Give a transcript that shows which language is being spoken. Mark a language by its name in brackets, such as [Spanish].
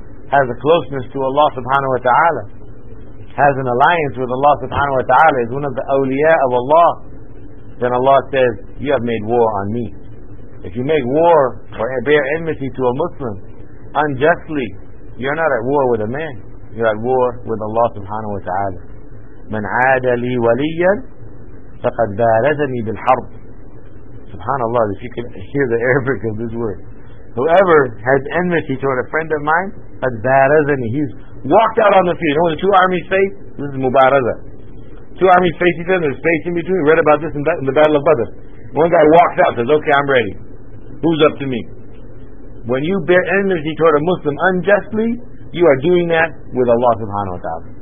[English] has a closeness to Allah subhanahu wa ta'ala, has an alliance with Allah subhanahu wa ta'ala, is one of the awliya of Allah, then Allah says, you have made war on me. If you make war or bear enmity to a Muslim unjustly, you're not at war with a man, you're at war with Allah subhanahu wa ta'ala. [Arabic] من عاد لي وليا فقد بارزني بالحرب. [English] Subhanallah, if you can hear the Arabic of this word. Whoever has enmity toward a friend of mine, [Arabic] قد بارزني, [English] he's walked out on the field. You know when the two armies face? This is mubaraza. Two armies face each other, there's space in between. We read about this in the Battle of Badr. One guy walks out, says, okay, I'm ready. Who's up to me? When you bear enmity toward a Muslim unjustly, you are doing that with Allah subhanahu wa ta'ala.